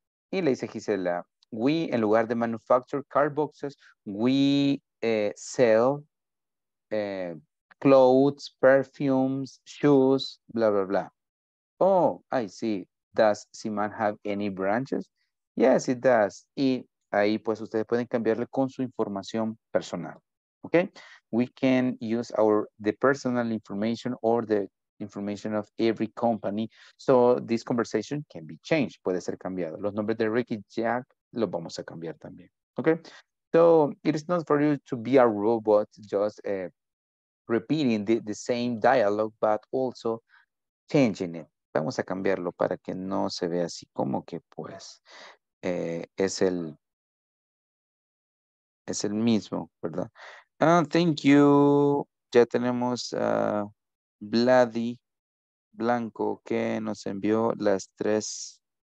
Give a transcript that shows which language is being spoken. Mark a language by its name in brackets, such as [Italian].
[Spanish] Y le dice Gisela, [English] we, [Spanish] en lugar de [English] manufacture car boxes, we sell clothes, perfumes, shoes, blah, blah, blah. Oh, I see. Does Siman have any branches? Yes, it does. [Spanish] Y ahí pues ustedes pueden cambiarle con su información personal. [English] Okay, we can use the personal information or the information of every company. So this conversation can be changed. [Spanish] Puede ser cambiado. Los nombres de Ricky Jack los vamos a cambiar también. [English] Okay, so it is not for you to be a robot, just repeating the same dialogue, but also changing it. [Spanish] Vamos a cambiarlo para que no se vea así como que pues es el mismo, ¿verdad? [English] Thank you. [Spanish] Ya tenemos a Vladi Blanco que nos envió las 3.